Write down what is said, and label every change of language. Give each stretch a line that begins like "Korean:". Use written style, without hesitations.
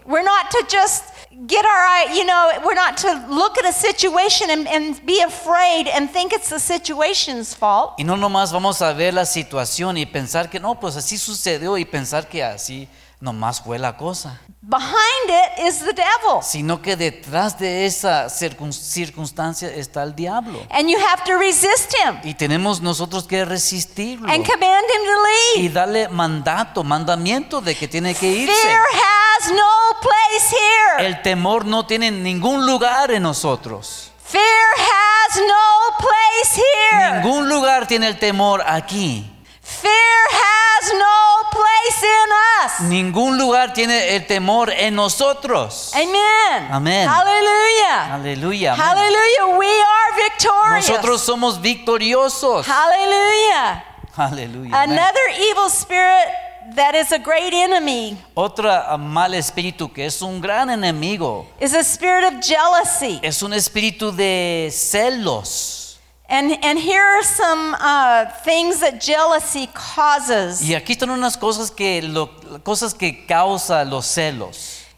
English: We're not to just get our eye, you know, we're not to look at a situation and be afraid and think it's the situation's fault.
Spanish: Y no nomás vamos a ver la situación y pensar que no, pues así sucedió y pensar que así nomás fue la cosa.
English: Behind it is the devil.
Spanish: Sino que detrás de esa circunstancia está el diablo.
English: And you have to resist him.
Spanish: Y tenemos nosotros que resistirlo.
English: And command him to leave.
Spanish: Y darle mandamiento de que tiene que irse.
English: Fear has no place here.
Spanish: El temor no tiene ningún lugar en nosotros.
English: Fear has no place here.
Spanish: Ningún lugar tiene el temor aquí.
English: Fear has no place in us.
Spanish: Ningún lugar tiene el temor en nosotros.
English: Amen. Amen. Hallelujah. Hallelujah. Amen. Hallelujah. We are victorious.
Spanish: Nosotros somos victoriosos. Hallelujah. Hallelujah.
English: Another evil spirit that is a great enemy.
Spanish: Otra mal espíritu que es un gran enemigo.
English: Is a spirit of jealousy.
Spanish: Es un espíritu de celos.
English: And here are some things that jealousy causes.
Spanish: Y aquí están unas cosas que causa los celos.